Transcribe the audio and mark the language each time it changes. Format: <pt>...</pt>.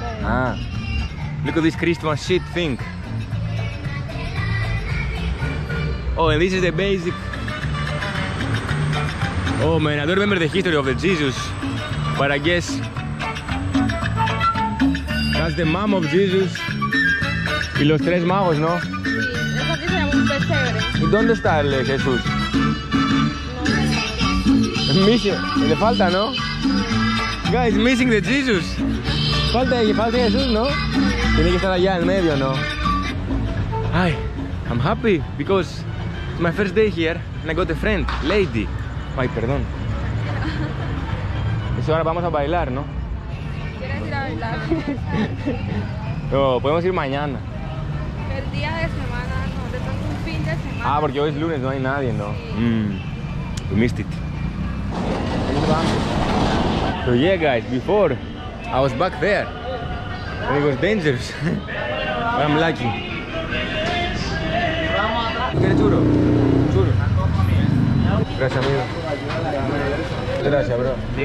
<en>Ah. Look at this Christmas shit thing. Oh, and this is the basic. Oh man, I don't remember the history of the Jesus. But I guess that's the mom of Jesus.</en> <es>Y los tres magos, ¿no? Sí, es lo que se llama un pesebre. ¿Y dónde está el Jesús? No sé.</es> <en>Missing,</en> <es>le falta, ¿no?</es> <en>Guys, missing the Jesus.</en> <es>Falta Jesús, ¿no? Tiene que estar allá en medio, ¿no?</es> <en>Ay, I'm happy because it's my first day here and I got a friend, lady.</en> <es>Ay, perdón. Eso ahora vamos a bailar, ¿no? ¿Quieres ir a bailar? No, podemos ir mañana. El día de semana, no, de pronto un fin de semana. Ah, porque hoy es lunes, no hay nadie, ¿no? Sí.</es> <en>You missed it. So yeah, guys, before I was back there and it was dangerous, but I'm lucky.</en> <es>¿Quieres churro? Churro. Gracias, amigo. Gracias, bro.</es>